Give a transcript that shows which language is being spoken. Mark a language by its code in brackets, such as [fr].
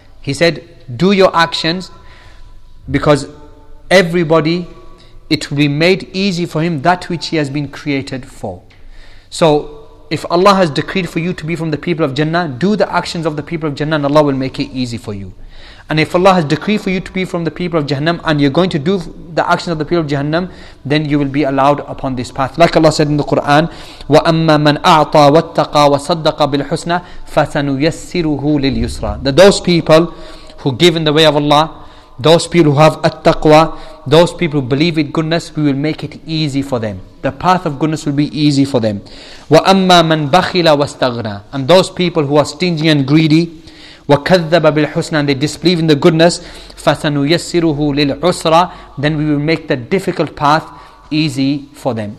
[en] He said, do your actions, because everybody, it will be made easy for him that which he has been created for. So If Allah has decreed for you to be from the people of Jannah, do the actions of the people of Jannah and Allah will make it easy for you. And if Allah has decreed for you to be from the people of Jahannam and you're going to do the actions of the people of Jahannam, then you will be allowed upon this path. Like Allah said in the Quran, [ar] وَأَمَّا مَنْ أَعْطَى وَاتَّقَى وَصَدَّقَ بِالْحُسْنَى فَسَنُيَسِّرُهُ لِلْيُسْرَى. [en] That those people who give in the way of Allah, those people who have at-taqwa, those people who believe in goodness, we will make it easy for them. The path of goodness will be easy for them. [ar] وَأَمَّا مَنْ بَخِلَ وَاسْتَغْنَى. [en] And those people who are stingy and greedy, [ar] وَكَذَّبَ بِالْحُسْنَى, [en] and they disbelieve in the goodness, [ar] فَسَنُيَسِّرُهُ لِلْعُسْرَى, [en] then we will make the difficult path easy for them.